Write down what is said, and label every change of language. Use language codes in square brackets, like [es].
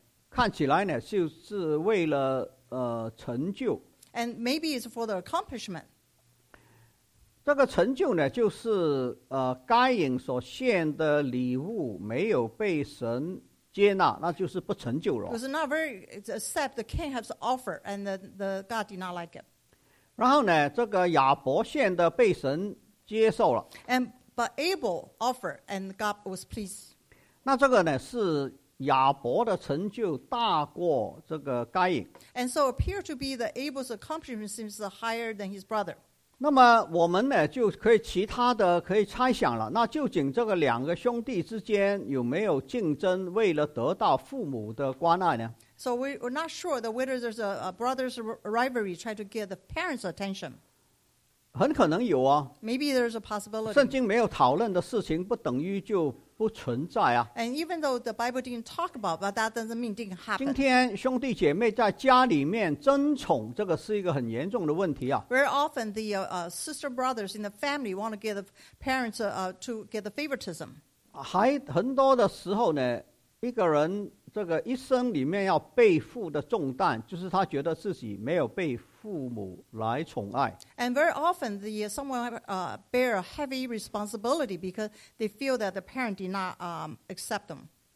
[zh] 看起来呢，就是为了成就。 [en] And maybe it's for the accomplishment. [zh] 这个成就呢，就是该隐所献的礼物没有被神接纳，那就是不成就了。 [en] It was not very accept the king has offer, and the God did not like it. [zh] 然后呢，这个亚伯献的被神接受了。 [en] And but Abel offer, and God was pleased. [zh] 那这个呢，是亚伯的成就大过这个该隐。 [en] And so appear to be that Abel's accomplishment seems higher than his brother. [zh] 那么我们呢就可以其他的可以猜想了，那究竟这个两个兄弟之间有没有竞争为了得到父母的关爱呢 [en] ？So we're not sure that whether there's a brother's rivalry trying to get the parents' attention. [zh] 很可能有啊。 [en] Maybe there's a possibility. [zh] 圣经没有讨论的事情不等于就不存在啊。 [en] And even though the Bible didn't talk about, but that doesn't mean didn't happen. [zh] 今天兄弟姐妹在家里面争宠，这个是一个很严重的问题啊。 [en] Very often the sister brothers in the family want to get the parents to get the favoritism. [zh] 还很多的时候呢，一个人这个一生里面要背负的重担，就是他觉得自己没有被父母来宠爱。 [en] And very often, someone bear a heavy responsibility because they feel that the parent did not accept them.